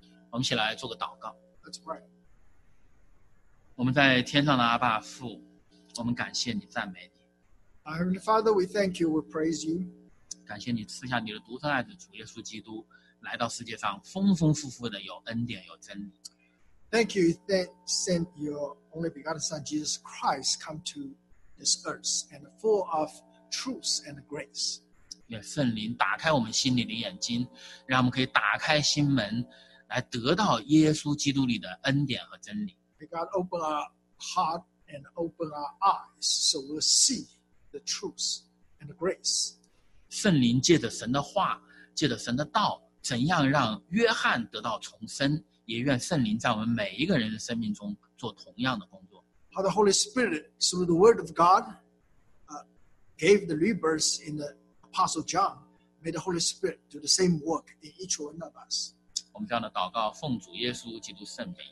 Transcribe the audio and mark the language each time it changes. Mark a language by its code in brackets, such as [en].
[zh] 我们一起来做个祷告。 [en] Let's pray. [zh] 我们在天上的阿爸父，我们感谢你，赞美你。 [en] Heavenly Father, we thank you, we praise you. [zh] 感谢你赐下你的独生爱子主耶稣基督来到世界上，丰丰富富的有恩典，有真理。 [en] Thank you that sent your only begotten Son Jesus Christ come to this earth and full of truth and grace. [zh] 愿圣灵打开我们心里的眼睛，让我们可以打开心门，来得到耶稣基督里的恩典和真理。 [en] May God open our heart and open our eyes so we'll see the truth and the grace. [zh] 圣灵借着神的话，借着神的道。怎样让约翰得到重生，也愿圣灵在我们每一个人的生命中做同样的工作。 [en] How the Holy Spirit, through the word of God, gave the rebirth in the Apostle John, may the Holy Spirit do the same work in each one of us. [zh] 我们这样的祷告奉主耶稣基督圣名。